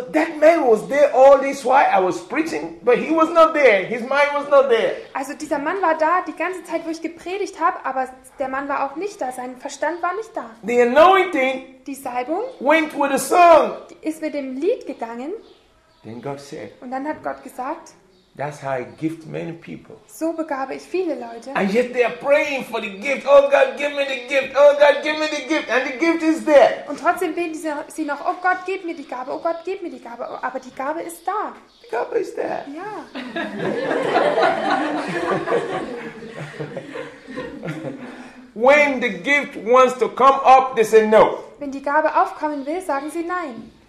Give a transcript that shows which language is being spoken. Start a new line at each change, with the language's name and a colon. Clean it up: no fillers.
English: that man was there all this while I was preaching, but he was not there. His mind was not there.
German: Also dieser Mann war da die ganze Zeit, wo ich gepredigt habe, aber der Mann war auch nicht da. Sein Verstand war nicht da.
English: The anointing,
German: die Salbung,
English: went with the song.
German: Ist mit dem Lied gegangen.
English: Then God said,
German: und dann hat Gott gesagt,
English: that's how I gift many people.
German: So begabe ich viele Leute.
English: And yet they are praying for the gift. Oh God, give me the gift. Oh God, give me the gift. And the gift is there.
German: Und trotzdem beten sie noch, oh Gott, gib mir die Gabe. Oh Gott, gib mir die Gabe. Aber die Gabe ist da. Die Gabe ist da. Ja.
English: When the gift wants to come up, they say no.
German: Wenn die Gabe aufkommen will, sagen sie nein.